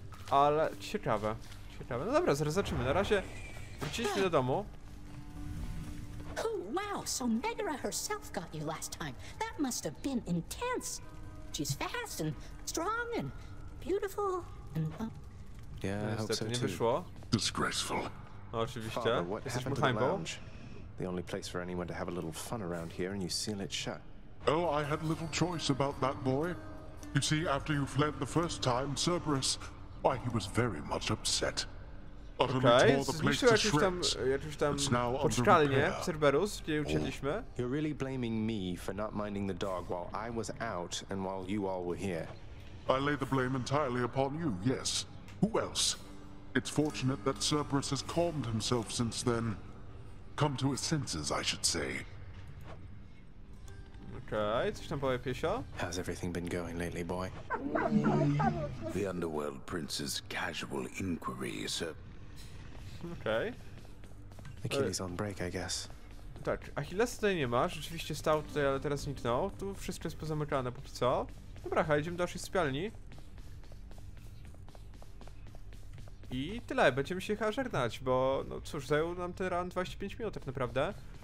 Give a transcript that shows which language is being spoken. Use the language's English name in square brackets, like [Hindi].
[Polish] Ale ciekawe. No dobra, zaraz zobaczymy. Na razie wróciliśmy do domu. [English] Wow, so Megara herself got you last time. That must have been intense. She's fast and strong and beautiful and [Polish] Niestety nie wyszło. [English] Disgraceful. [Polish] Oczywiście. [English] Father, what happened to the lounge? The only place for anyone to have a little fun around here, and you seal it shut. Oh, I had little choice about that boy. You see, after you fled the first time, Cerberus Why, he was very much upset. Utterly tore the place to shreds. [Polish] Jakiś tam poczekalnie Cerberus, gdzie uczyliśmy. [English] You're really blaming me for not minding the dog while I was out and while you all were here. I lay the blame entirely upon you, yes. Who else? It's fortunate that Cerberus has calmed himself since then. Come to his senses, I should say. [Polish] Okay, coś tam powie Piesio. [English] How's everything been going lately, boy? The Underworld Prince's casual inquiry, sir. Okay. Achilles on break, I guess. [Polish] Tak, Achilles tutaj nie ma. Rzeczywiście stał tutaj, ale teraz zniknął. Tu wszystko jest pozamykane póki co. Dobra, chaj, idziemy do naszej sypialni. I tyle, będziemy się chyba żegnać, bo no cóż, zajął nam ten run 25 minut tak naprawdę.